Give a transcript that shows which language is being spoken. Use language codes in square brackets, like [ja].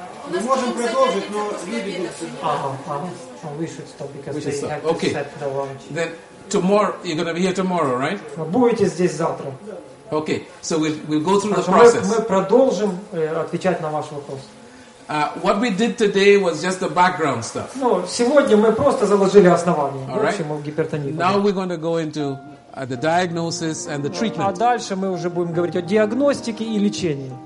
[ru] Мы можем продолжить, но люди будут. Ага. [en] We should stop because they have to set the lunch. Then tomorrow you're going to be here tomorrow, right? [ru] Будете здесь завтра. [en] Okay, so we'll go through the process. [ru] Мы продолжим отвечать на ваш вопрос. [en] What we did today was just the background stuff. [ru] Ну, сегодня мы просто заложили основание. [en] All right. [ru] В общем, гипертония. [en] Now we're going to go into the diagnosis and the treatment. [ru] А дальше мы уже будем говорить о диагностике и лечении.